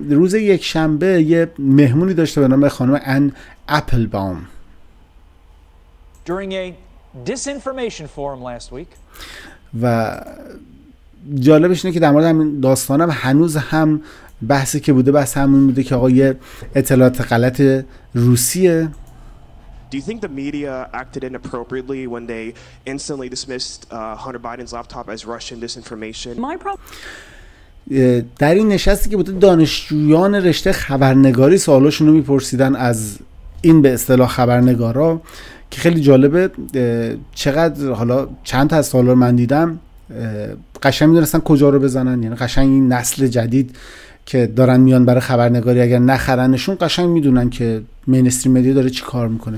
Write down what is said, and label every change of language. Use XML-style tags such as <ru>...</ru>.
<fa>روز یک شنبه یه مهمونی داشته به نام خانم ان اپلباوم.</fa> <en>Disinformation forum last week.</en> <fa>و جالبش اینه که در مورد همین داستانم هنوز هم بحثی که بوده بحث همون بوده که آقا یه اطلاعات غلط روسیه.</fa> <en>Do you think the media acted inappropriately when they instantly dismissed Hunter Biden's laptop as Russian disinformation? My problem.</en> <fa>در این نشستی که بود دانشجویان رشته خبرنگاری سوالاشون رو میپرسیدن از این به اصطلاح خبرنگارا، که خیلی جالبه چقدر، حالا چند تا از سوالا رو من دیدم قشنگ میدونستن کجا رو بزنن، یعنی قشنگ این نسل جدید که دارن میان برای خبرنگاری اگر نخرنشون قشنگ میدونن که مینستریم مدیا داره چی کار میکنه.</fa>